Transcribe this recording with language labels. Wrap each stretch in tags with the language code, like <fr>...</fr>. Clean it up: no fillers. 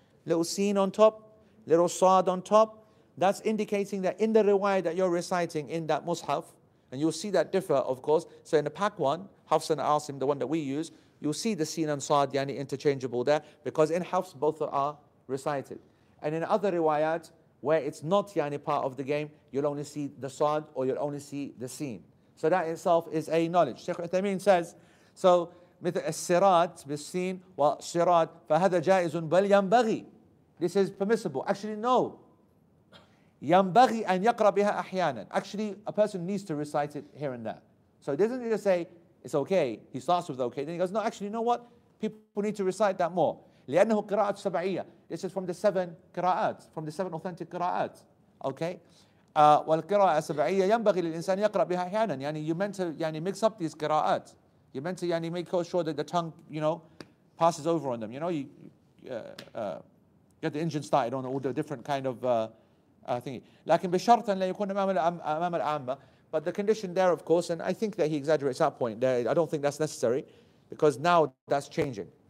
<en>Little seen on top, little sa'd on top. That's indicating that in the riwayah that you're reciting in that Mus'haf, and you'll see that differ, of course. So in the Pak one, Hafs and Asim, the one that we use, you'll see the seen and sa'd, yani interchangeable there, because in Hafs both are recited. And in other riwayat, where it's not yani part of the game, you'll only see the sad or you'll only see the scene. So that itself is a knowledge. Sheikh Uthaymeen says, so</en> <ar>مثل السراد بالسين والسراد فهذا جائز بل ينبغي.</ar> <en>This is permissible. Actually, no.</en> <ar>ينبغي أن يقرأ بها أحيانا.</ar> <en>Actually, a person needs to recite it here and there. So doesn't he just say, it's okay. He starts with okay. Then he goes, no, actually, you know what? People need to recite that more.</en> <ar>لأنه قراءة سبعية.</ar> <en>This is from the seven قراءات, from the seven authentic قراءات. Okay?</en> <ar>والقراءة السبعية ينبغي للإنسان يقرأ بها أحيانا.</ar> <en>يعني you meant to يعني mix up these قراءات. You meant to يعني make sure that the tongue, you know, passes over on them. You know, you get the engine started on all the different kind of thingy.</en> <ar>لكن بشرط أن لا يكون أمام العامة.</ar> <en>But the condition there, of course, and I think that he exaggerates that point. I don't think that's necessary because now that's changing.</en>